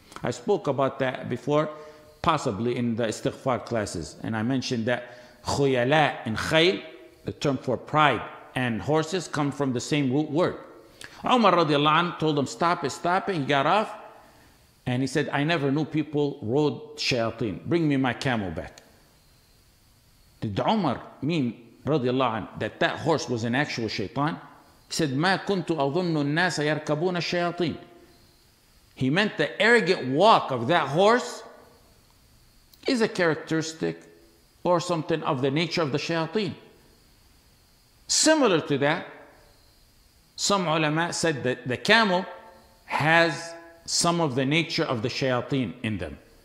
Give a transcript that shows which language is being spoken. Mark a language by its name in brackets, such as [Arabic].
[English] I spoke about that before, possibly in the istighfar classes, and I mentioned that khuyala in khayl, the term for pride and horses, come from the same root word. Umar radiallahu anhu told him, stop it, stop it. He got off and he said, I never knew people rode shayateen. Bring me my camel back. Did Umar mean radiallahu anhu that that horse was an actual shaytan? He said, [Arabic] ما كنت أظن الناس يركبون الشياطين. [English] He meant the arrogant walk of that horse is a characteristic or something of the nature of the shayateen. Similar to that, some ulama said that the camel has some of the nature of the shayateen in them.